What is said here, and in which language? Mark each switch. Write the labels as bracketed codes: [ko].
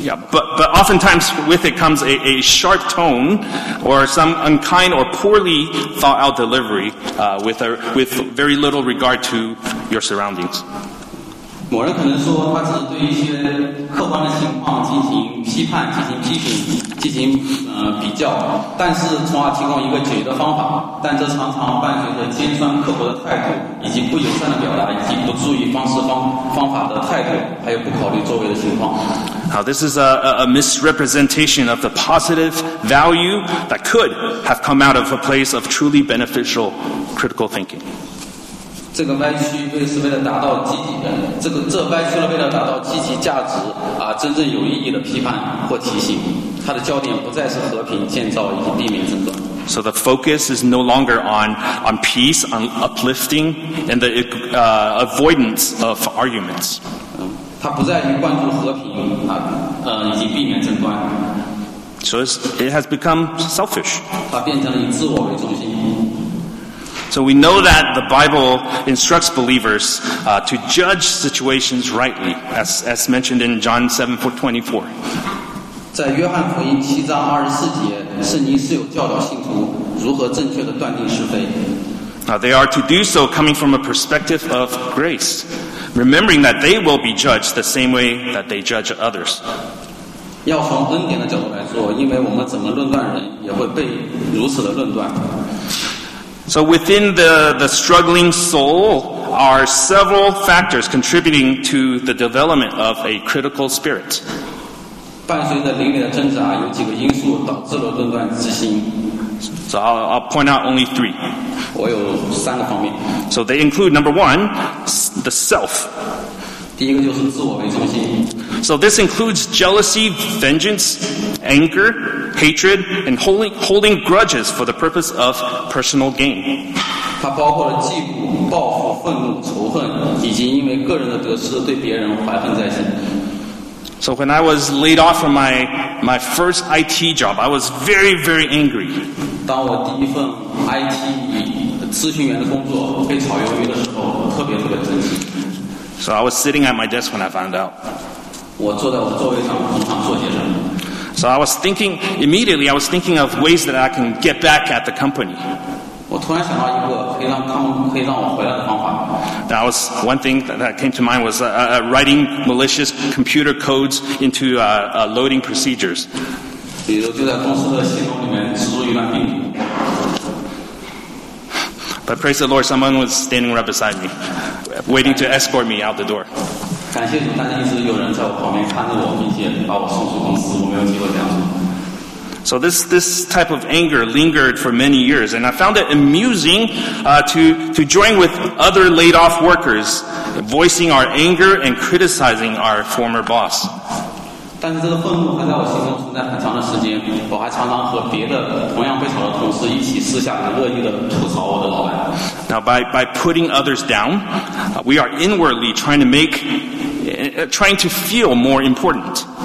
[en] But oftentimes with it comes a sharp tone or some unkind or poorly thought out delivery with very little regard to your surroundings. [zh] 某人可能说他是对一些客观的情况进行批判、进行批评、进行比较，但是从而提供一个解决的方法，但这常常伴随着尖酸刻薄的态度，以及不友善的表达，以及不注意方法的态度，还有不考虑周围的情况。 [en] Now, this is a misrepresentation of the positive value that could have come out of a place of truly beneficial critical thinking. [zh] 这个歪曲为是为了达到积极的，这歪曲了为了达到积极价值啊，真正有意义的批判或提醒，它的焦点不再是和平建造以及避免争端。 [en] So the focus is no longer on peace, on uplifting, and the avoidance of arguments. [zh] 它不在于关注和平啊，以及避免争端。 [en] So it has become selfish. [zh] 它变成了以自我为中心。 [en] So we know that the Bible instructs believers to judge situations rightly, as mentioned in John 7:24. [zh] 在约翰福音七章二十四节，圣经是有教导信徒如何正确的断定是非。 [en] Now they are to do so coming from a perspective of grace, remembering that they will be judged the same way that they judge others. [zh] 要从恩典的角度来说，因为我们怎么论断人，也会被如此的论断。 [en] So within the struggling soul are several factors contributing to the development of a critical spirit. [zh] 伴随着灵里的挣扎，有几个因素导致了论断之心。 [en] So I'll point out only three. [zh] 我有三个方面。 [en] So they include number one, the self. [zh] 第一个就是自我为中心。 [en] So this includes jealousy, vengeance, anger, hatred, and holding grudges for the purpose of personal gain. [zh] 它包括了嫉妒、报复、愤怒、仇恨，以及因为个人的得失对别人怀恨在心。 [en] So when I was laid off from my first IT job, I was very, very angry. [zh] 当我第一份 IT 咨询员的工作被炒鱿鱼的时候，特别特别生气。 [en] So I was sitting at my desk when I found out. [zh] 我坐在我的座位上，通常坐些什么？ [en] So I was thinking, immediately I was thinking of ways that I can get back at the company. [zh] 我突然想到一个可以让我回来的方法。 [en] That was one thing that came to mind was writing malicious computer codes into loading procedures. [zh] 比如就在公司的系统里面植入一段病毒。 [en] But praise the Lord, someone was standing right beside me, waiting to escort me out the door. [zh] 感谢主，但是一直有人在我旁边看着我，并且把我送出公司，我没有机会这样做。 [en] So this type of anger lingered for many years, and I found it amusing to join with other laid off workers, voicing our anger and criticizing our former boss. [zh] 但是这个愤怒还在我心中存在很长的时间，我还常常和别的同样被炒的同事一起私下的恶意的吐槽我的老板。 [en] Now by putting others down, we are inwardly trying to feel more important.